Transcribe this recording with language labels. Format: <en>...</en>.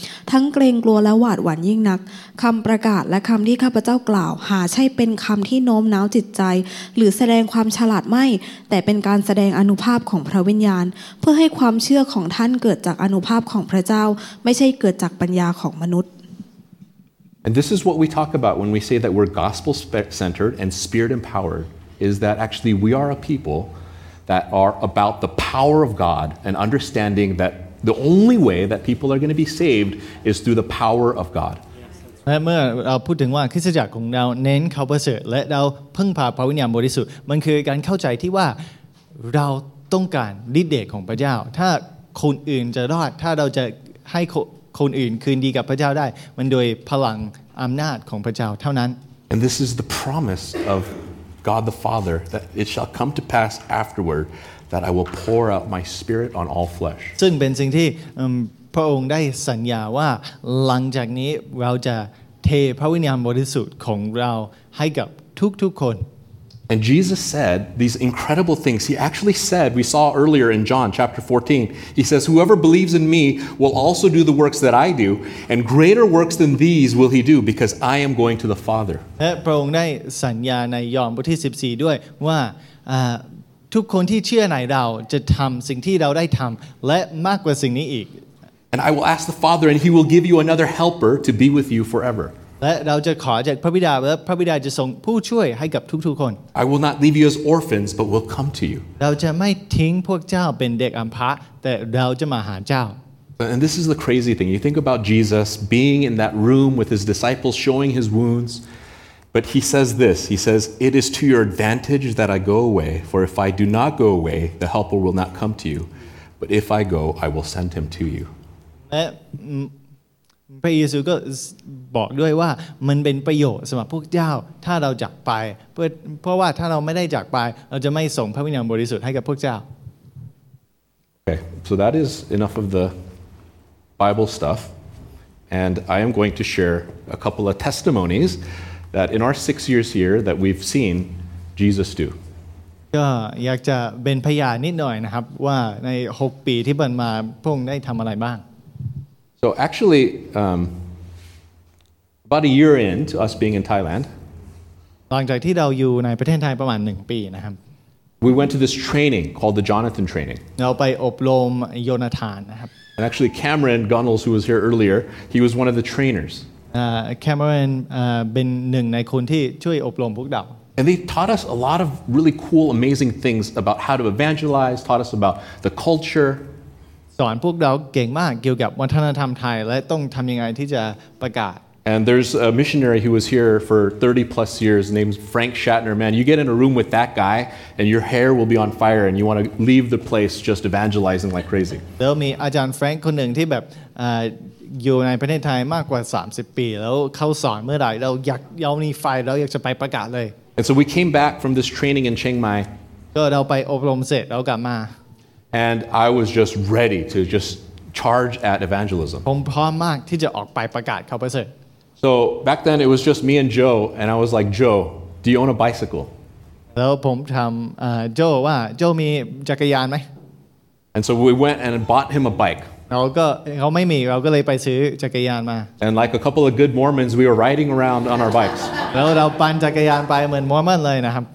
<th>ทั้งเกรงกลัวและหวาดหวั่นยิ่งนักคำประกาศและคำที่ข้าพเจ้ากล่าวหาใช่เป็นคำที่โน้มน้าวจิตใจหรือแสดงความฉลาดไม่แต่เป็น การแสดงอนุภาพของพระวิญญาณเพื่อให้ความเชื่อของท่านเกิดจากอนุภาพของพระเจ้าไม่ใช่เกิดจากปัญญาของมนุษย์</th> <en>And this is what we talk about when we say that we're gospel centered and spirit empowered is that actually we are a people that are about the power of God and understanding that the only way that people are going to be saved is through the power of God</en> <th>และเมื่อเราพูดถึงว่าคริสตจักรของเราเน้นเขาประเสริฐและเราพึ่งพาพระวิญญาณบริสุทธิ์มันคือการเข้าใจที่ว่าเราต้องการฤทธิ์เดชของพระเจ้าถ้าคนอื่นจะรอดถ้าเราจะให้คนอื่นคืนดีกับพระเจ้าได้มันโดยพลังอำนาจของพระเจ้าเท่านั้น</th> <en>And this is the promise of God the Father that it shall come to pass afterward that I will pour out my spirit on all flesh</en> <th>ซึ่งเป็นสิ่งที่พระองค์ได้สัญญาว่าหลังจากนี้เราจะเทพระวิญญาณบริสุทธิ์ของเราให้กับทุกคน</th> <en>And Jesus said these incredible things. He actually said, we saw earlier in John chapter 14, he says, whoever believes in me will also do the works that I do, and greater works than these will he do, because I am going to the Father.</en> <th>และพระองค์ได้สัญญาในยอห์นบทที่14ด้วยว่าทุกคนที่เชื่อในเราจะทำสิ่งที่เราได้ทำและมากกว่าสิ่งนี้อีก</th> <en>And I will ask the Father, and He will give you another Helper to be with you forever.</en> <th>และเราจะขอจากพระบิดาและพระบิดาจะส่งผู้ช่วยให้กับทุกๆคน</th> <en>I will not leave you as orphans, but will come to you.</en> <th>เราจะไม่ทิ้งพวกเจ้าเป็นเด็กอัมพาแต่เราจะมาหาเจ้า</th> <en>And this is the crazy thing. You think about Jesus being in that room with his disciples, showing his wounds, but he says this. He says, "It is to your advantage that I go away. For if I do not go away, the Helper will not come to you. But if I go, I will send him to you."</en> <th>และพระเยซูก็บอกด้วยว่ามันเป็นประโยชน์สำหรับพวกเจ้าถ้าเราจากไปเพราะว่าถ้าเราไม่ได้จากไปเราจะไม่ส่งพระวิญญาณบริสุทธิ์ให้กับพวกเจ้า</th> <en>Okay so that is enough of the Bible stuff and I am going to share a couple of testimonies that in our 6 years here that we've seen Jesus do</en> <th>ก็อยากจะเป็นพยานนิดหน่อยนะครับว่าใน6ปีที่ผ่านมาพระองค์ได้ทำอะไรบ้าง</th> <en>So actually, about a year into us being in Thailand,</en> <th>หลังจากที่เราอยู่ในประเทศไทยประมาณ1ปีนะครับ</th> <en>we went to this training called the Jonathan training.</en> <th>เราไปอบรมโยนาธานนะครับ</th> <en>And actually, Cameron Gunnels, who was here earlier, he was one of the trainers.</en> <th>Cameron เป็นหนึ่งในคนที่ช่วยอบรมพวกเรา</th> <en>And they taught us a lot of really cool, amazing things about how to evangelize. Taught us about the culture.</en> <th>สอนพวกเราเก่งมากเกี่ยวกับวัฒนธรรมไทยและต้องทำยังไงที่จะประกาศ</th> <en>And there's a missionary who was here for 30 plus years named Frank Shatner man you get in a room with that guy and your hair will be on fire and you want to leave the place just evangelizing like crazy</en> <th>แล้วมีอาจารย์แฟรงค์คนหนึ่งที่แบบอยู่ในประเทศไทยมากกว่า30ปีแล้วเข้าสอนเมื่อไหร่เราอยากเรามีไฟเราอยากจะไปประกาศเลย</th> <en>And so we came back from this training in Chiang Mai</en> <th>ก็เราไปอบรมเสร็จเรากลับมา</th> <en>And I was just ready to just charge at evangelism.</en> <th>ผมพร้อมมากที่จะออกไปประกาศข่าวประเสริฐ</th> <en>So back then it was just me and Joe, and I was like, Joe, do you own a bicycle?</en> <th>แล้วผมถามโจว่าโจมีจักรยานไหม</th> <en>And so we went and bought him a bike.</en> <th>เราก็เขาไม่มีเราก็เลยไปซื้อจักรยานมา</th> <en>And like a couple of good Mormons, we were riding around on our bikes.</en> <th>แล้วเราปั่นจักรยานไปเหมือนมอร์มอนเลยนะครับ</th>